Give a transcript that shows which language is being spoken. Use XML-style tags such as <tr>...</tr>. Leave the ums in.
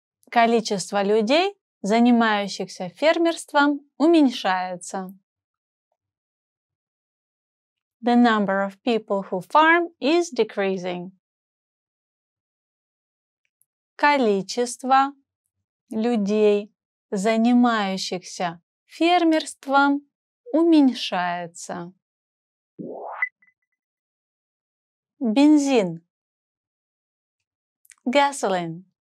<ru>Количество людей, занимающихся фермерством, уменьшается.</ru> <en>The number of people who farm is decreasing.</en> <ru>Количество людей, занимающихся фермерством, уменьшается. Бензин</ru> <en>gasoline.</en>